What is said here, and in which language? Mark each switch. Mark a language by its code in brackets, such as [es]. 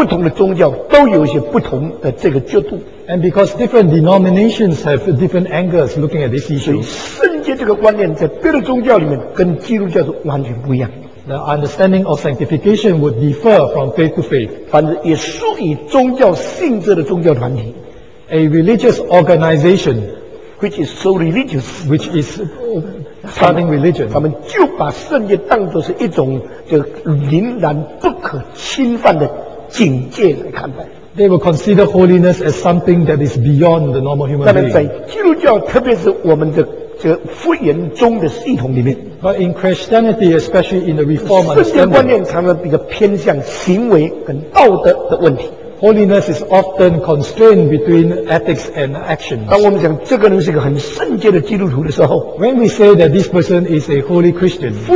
[zh] 这些观念呢，因为你不同的宗派、不同的宗教都有一些不同的这个角度。 [en] And because different denominations have different angles looking at this issue, [zh] 圣洁这个观念在别的宗教里面跟基督教是完全不一样。 [en] The understanding of sanctification would differ from faith to faith. [zh] 反正也属于宗教性质的宗教团体。 [en] A religious organization, which is so religious, which is starting religion, [zh] 他们就把圣洁当作是一种就凛然不可侵犯的警戒来看待。 [en] They will consider holiness as something that is beyond the normal human being. [zh] 但在基督教，特别是我们的这复原宗的系统里面， [en] but in Christianity, especially in the Reform understanding, [zh] 圣洁观念常常比较偏向行为跟道德的问题。 [en] Holiness is often constrained between ethics and actions. [zh] 当我们讲这个人是一个很圣洁的基督徒的时候， [en] when we say that this person is a holy Christian,